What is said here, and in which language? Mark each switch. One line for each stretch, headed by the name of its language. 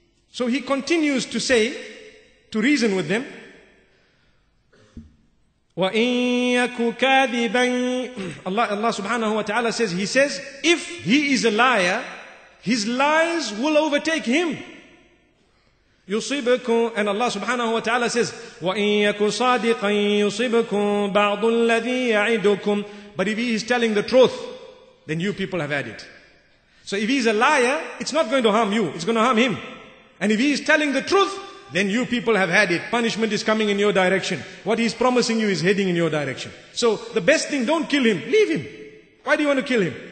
English: So he continues to say, to reason with them.
Arabic: وَإِن يَكُ كَاذِبًا
English: Allah subhanahu wa ta'ala says, he says, if he is a liar, His lies will overtake him.
Arabic: يصيبكم, and Allah subhanahu wa ta'ala says, وَإِن يَكُ صَادِقًا يُصِبْكُمْ بَعْضُ الَّذِي يَعِدُكُمْ.
English: But if he is telling the truth, then you people have had it. So if he is a liar, it's not going to harm you, it's going to harm him. And if he is telling the truth, then you people have had it. Punishment is coming in your direction. What he is promising you is heading in your direction. So the best thing, don't kill him, leave him. Why do you want to kill him?